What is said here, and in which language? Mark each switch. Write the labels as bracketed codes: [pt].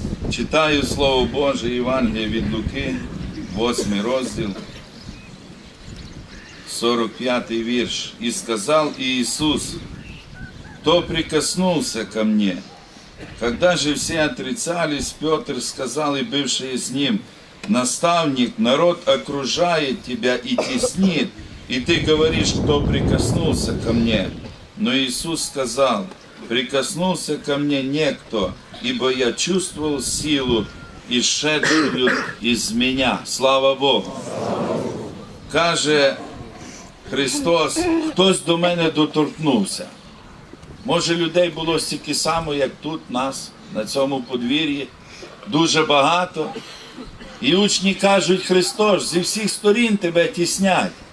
[uk] Читаю Слово Боже, Євангеліє від Луки, 8 розділ, 45 вірш. «І сказав Ісус, хто прикоснувся [ru] ко мне? Когда же все отрицались, Петр сказал и бывший с ним, наставник, народ окружает тебя и теснит, и ты говоришь, кто прикоснулся ко мне? Но Иисус сказал, прикоснулся ко мне некто, ибо я чувствовал силу, исшедшую из меня». [uk] Слава Богу! Каже Христос, хтось до мене доторкнувся. Може, людей було стільки само, як тут нас, на цьому подвір'ї. Дуже багато. І учні кажуть: «Христос, зі всіх сторін тебе тіснять».